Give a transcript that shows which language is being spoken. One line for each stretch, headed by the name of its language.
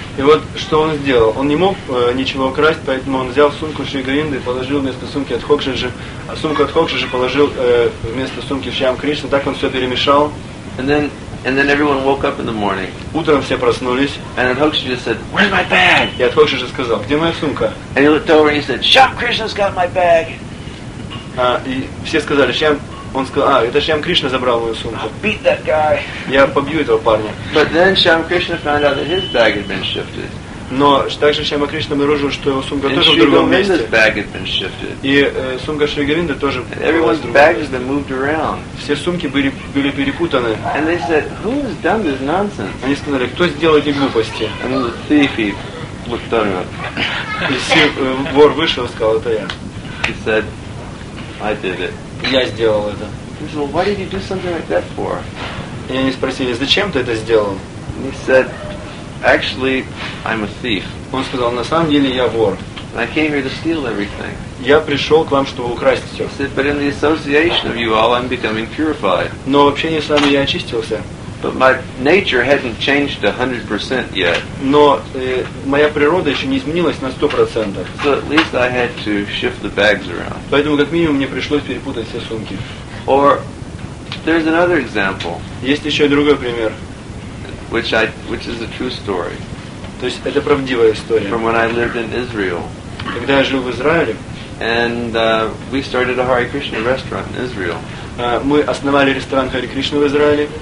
Russian: И вот что он сделал. Он не мог ничего украсть, поэтому он взял сумку Шри Говинды и положил вместо сумки от Хокшиджи, а сумку от Хокшиджи положил вместо сумки Шам Кришна. Так он все перемешал.
English: And then everyone woke up in the morning.
Russian: Утром все проснулись.
English: And then Hoksija said, "Where's my bag?"
Russian: И от Хокшиджи сказал, "Где моя сумка?"
English: And he looked over and he said, "Sham Krishna's got my bag."
Russian: И все сказали, Шам. Он сказал, это Шиам Кришна забрал мою сумку.
English: I'll beat that guy.
Russian: Я побью этого парня.
English: But then Shyam Krishna found out that his bag had been shifted.
Russian: Но также Шиама Кришна обнаружил, что его сумка
English: and
Russian: тоже в другом месте.
English: Bag had been shifted.
Russian: И сумка Шри Говинды тоже была в другом
English: everyone's bags
Russian: месте.
English: Been moved around.
Russian: Все сумки были перепутаны.
English: And they said, who has done this nonsense?
Russian: Они сказали, кто сделал эти глупости?
English: And the thief he looked down at.
Russian: И вор вышел и сказал, это я.
English: He said, I did it.
Russian: Я сделал это.
English: He said, well, why did you do something like that for?
Russian: И они спросили, зачем ты это сделал?
English: He said, actually, I'm a thief.
Russian: Он сказал, на самом деле я вор.
English: I came here to steal everything.
Russian: Я пришел к вам, чтобы украсть все.
English: He said, but in the association of you all, I'm becoming purified.
Russian: Но в общении с вами я очистился.
English: But my nature hadn't changed 100% yet.
Russian: Но моя природа еще не изменилась на 100%.
English: So at least I had to shift the bags around.
Russian: Поэтому как минимум мне пришлось перепутать все сумки.
English: Or there's another example.
Russian: Есть еще другой пример.
English: Which is a true story.
Russian: То есть это правдивая история.
English: From when I lived in Israel.
Russian: Когда я жил в Израиле.
English: And we started a Hare Krishna restaurant in Israel.
Russian: Мы основали ресторан Хари Кришна в Израиле.